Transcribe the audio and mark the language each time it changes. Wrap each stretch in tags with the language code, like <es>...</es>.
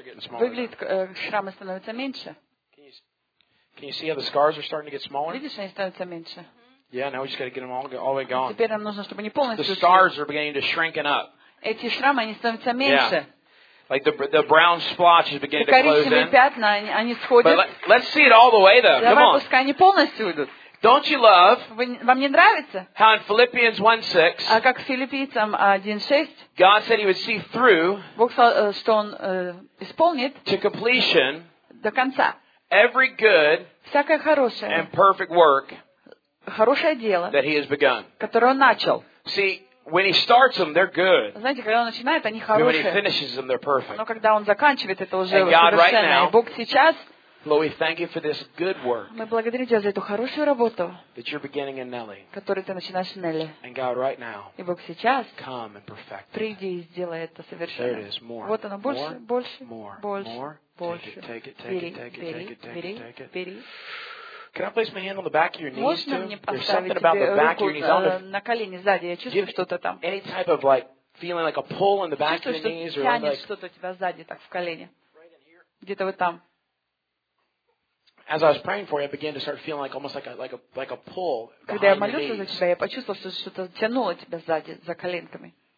<ru>Выглядит, шрамы становятся меньше. Видишь, они становятся меньше.</ru> <en>Yeah, now we just got to get them all way gone.</en> <ru>Теперь нам нужно, чтобы они полностью.</ru> <en>The scars are beginning to shrinking up.</en> <ru>Эти шрамы, они становятся меньше.</ru> <en>Like the brown splotch is beginning to close in.</en> <ru>Пятна, они сходят.</ru> <en>But let's see it all the way though.</en> <ru>Давай,</ru> <en>come on.</en> <ru>Пускай они полностью уйдут.</ru> <en>Don't you love?</en> <ru>Вам не нравится?</ru> <en>How in Philippians 1:6?</en> <ru>А как в Филиппийцам 1:6?</ru> <en>God said He would see through.</en> <ru>Бог сказал, что он исполнит.</ru> <en>To completion.</en> <ru>До конца.</ru> <en>Every good.</en> <ru>Всякое хорошее.</ru> <en>And perfect work.</en> <ru>Хорошее дело.</ru> <en>That He has begun.</en> <ru>Которое он начал.</ru> <en>See, when He starts them, they're good.</en> <ru>Знаете, когда он начинает, они хорошие.</ru> <en>When He finishes them, they're perfect.</en> <ru>Но когда он заканчивает, это уже совершенно. И Бог сейчас.</ru> <en>Lord, we thank you for this good work.</en> <ru>Мы благодарим тебя за эту хорошую работу.</ru> <en>That you're beginning in Nelly.</en> <ru>Которую ты начинаешь в Нелли.</ru> <en>And God, right now.</en> <ru>И Бог сейчас.</ru> <en>Come and perfect.</en> <ru>Приди и сделай это совершенно.</ru> <en>There it is. More.</en> <ru>Вот оно больше,</ru> <en>more,</en> <ru>больше,</ru> <en>more,</en> <ru>больше,</ru> <en>more.</en> <ru>Больше.</ru> <en>Take it. Can I place my hand on the back of your knees?</en> <ru>Можно</ru> <en>too?</en> <ru>Мне поставить тебе руку на колени сзади? Я чувствую что-то там.</ru> <en>Any type of like feeling like a pull in the back of your knees or like.</en> <ru>Чувствую, что тянет что-то у тебя сзади так в колени. Где-то вот там.</ru> <en>As I was praying for you, I began to start feeling like almost like a pull.</en> <ru>Когда я молился за тебя, я почувствовал, что что-то тянуло тебя сзади за коленками.</ru>